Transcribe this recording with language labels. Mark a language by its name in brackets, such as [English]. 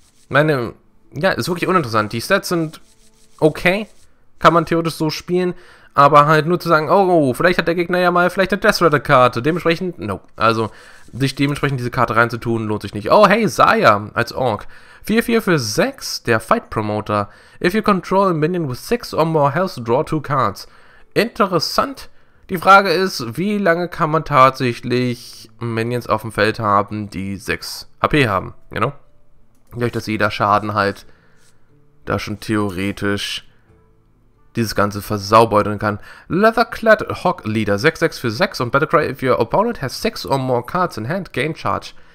[German] Ist wirklich uninteressant. Die Stats sind okay, kann man theoretisch so spielen, aber halt nur zu sagen, oh, vielleicht hat der Gegner ja mal vielleicht eine Death Rattle Karte. Dementsprechend, nope. Also, sich dementsprechend diese Karte reinzutun, lohnt sich nicht. Oh, hey, Zaya als Ork. 4-4-6, der Fight Promoter. [English] If you control a minion with 6 or more health, draw 2 cards. [German] Interessant. Die Frage ist, wie lange kann man tatsächlich Minions auf dem Feld haben, die 6 HP haben? Genau. Dadurch, dass jeder Schaden halt da schon theoretisch dieses Ganze versaubeutern kann. [English] Leatherclad Hawk Leader, 6-6-6 und Battlecry, if your opponent has 6 or more cards in hand, gain charge.